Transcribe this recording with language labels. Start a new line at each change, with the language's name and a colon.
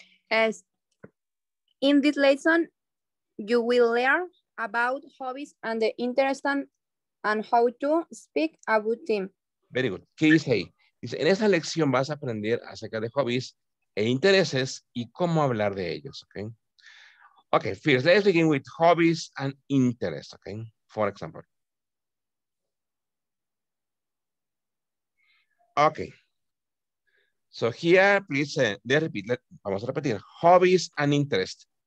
English: As in this lesson, you will learn about hobbies and the interesting and how to speak about them. Very good.
Spanish: ¿Qué dice ahí? Dice, en esta lección vas a aprender acerca de hobbies e intereses y cómo hablar de ellos, ¿ok?
English: Okay, first, let's begin with hobbies and interests, okay? For example. Okay. So here, please, repeat.
Spanish: Vamos a repetir.
English: Hobbies and interests.